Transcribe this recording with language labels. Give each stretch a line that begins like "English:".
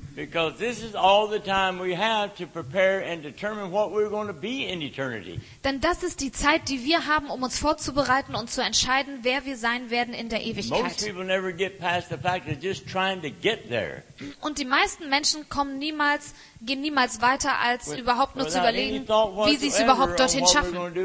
English: Because this is all the time we have to prepare and determine what we're going to be in eternity.
German: Denn das ist die Zeit, die wir haben, um uns vorzubereiten und zu entscheiden, wer wir sein werden in der Ewigkeit.
English: Most people never get past the fact of just trying to get there.
German: Und die meisten Menschen gehen niemals weiter, als überhaupt nur zu überlegen, wie sie es überhaupt dorthin schaffen.